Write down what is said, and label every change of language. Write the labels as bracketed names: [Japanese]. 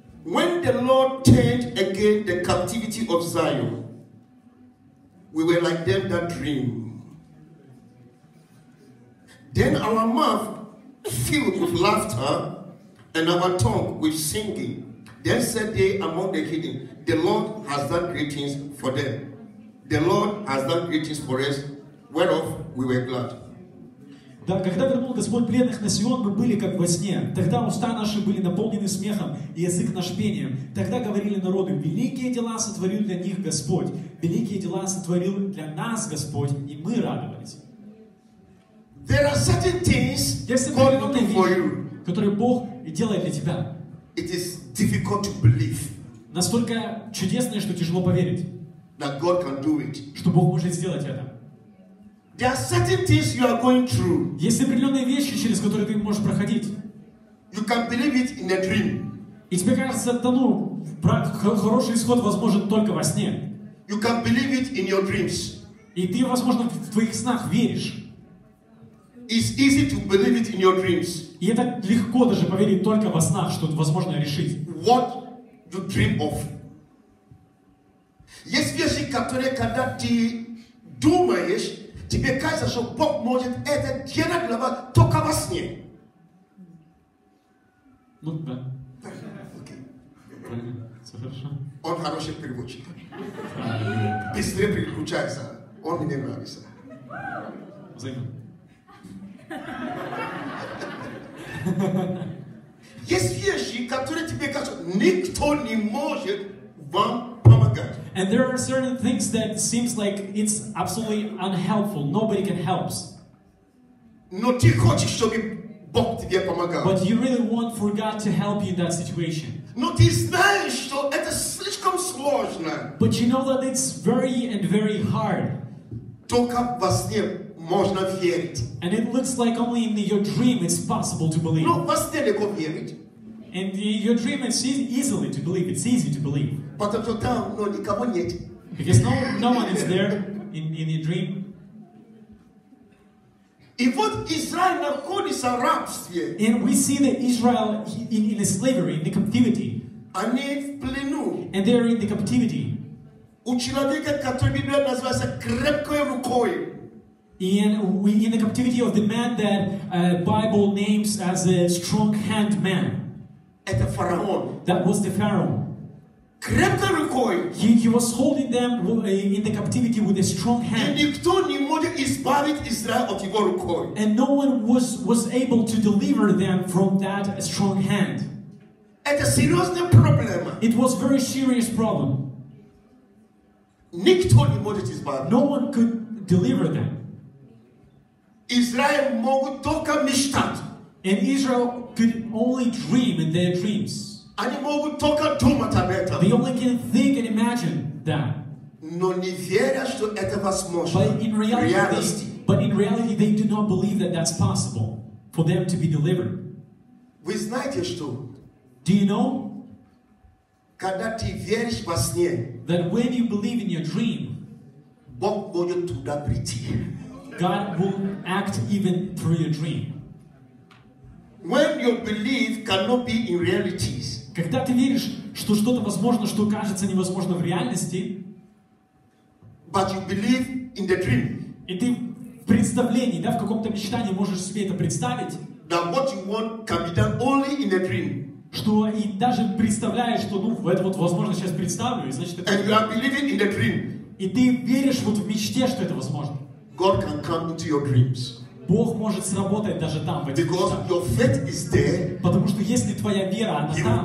[English] When the Lord turned again the captivity of Zion, we were like them that dream. Then our mouth filled with laughter, and our tongue with singing. Then said they among the heathen, the Lord has done great things for them. The Lord has done great things for us, whereof we were glad. [Russian] Да, когда вернул Господь пленных на Сион, мы были как во сне. Тогда уста наши были наполнены смехом, и язык наш пением. Тогда говорили народы, великие дела сотворил для них Господь. Великие дела сотворил для нас Господь, и мы радовались. [English] There are certain things God will do for you. [Russian] Которые Бог делает для тебя. [English] It is difficult to believe. [Russian] Настолько чудесное, что тяжело поверить. [English] That God can do it. [Russian] Что Бог может сделать это. [English] There are certain things you are going through. [Russian] Есть определенные вещи, через которые ты можешь проходить. [English] You can believe it in a dream. [Russian] И тебе кажется, да ну, хороший исход возможен только во сне. [English] You can believe it in your dreams. [Russian] И ты, возможно, в твоих снах веришь. [English] It's easy to believe it in your dreams. [Russian] И это легко даже поверить только во снах, что это возможно решить. [English] What you dream of? [Russian] Есть вещи, которые когда ты думаешь, тебе кажется, что Бог может это делать для вас только во сне. Ну да. [English] Okay. [Russian] Хорошо. Он хороший переводчик. Быстрее переключается. Он мне нравится. Есть вещи, которые тебе кажется, никто не может вам помогать. [English] And there are certain things that seems like it's absolutely unhelpful. Nobody can help. [Russian] Но ты хочешь, чтобы Бог тебе помогал. [English] But you really want for God to help you in that situation. [Russian] Но ты знаешь, что это слишком сложно. [English] But you know that it's very and very hard. [Russian] Только во сне можно верить. [English] And it looks like only in your dream it's possible to believe. [Russian] Но во сне легко верить. [English] And your dream is easily to believe. It's easy to believe. [Russian] Потому что там никого нет. [English] Because no one is there in your dream. [Russian] И вот Израиль находится в рабстве. [English] And we see that Israel in a slavery, in the captivity. [Russian] Они в плену. [English] And they're in the captivity. [Russian] У человека, который Библия называется крепкой рукой. [English] And we in the captivity of the man that Bible names as a strong hand man. [Russian] Это фараон. [English] That was the Pharaoh. [Russian] Крепкой рукой. [English] He was holding them in the captivity with a strong hand. [Russian] И никто не мог избавить Израиль от его рукой. [English] And no one was able to deliver them from that strong hand. [Russian] Это серьезный проблема. [English] It was very serious problem. [Russian] Никто не мог избавить. [English] No one could deliver them. [Russian] Израиль мог только мечтать. [English] And Israel could only dream in their dreams. [Russian] Они могут только думать об этом. [English] They only can think and imagine that. [Russian] Но не верят, что это возможно. [English] But in reality, they do not believe that that's possible for them to be delivered. [Russian] Вы знаете что? [English] Do you know? [Russian] Когда ты веришь во сне, [English] that when you believe in your dream, [Russian] Бог будет туда прийти. [English] God will act even through your dream. When your belief cannot be in realities, [Russian] когда ты веришь, что что-то возможно, что кажется невозможно в реальности, [English] but you believe in the dream, [Russian] и ты в представлении, да, в каком-то мечтании можешь себе это представить, [English] that what you want can be done only in a dream, [Russian] что и даже представляешь, что ну это вот возможно сейчас представлю, и значит это, [English] and you are believing in the dream, [Russian] и ты веришь вот в мечте, что это возможно, [English] God can come into your dreams. [Russian] Бог может сработать даже там, в этих местах. Потому что если твоя вера, она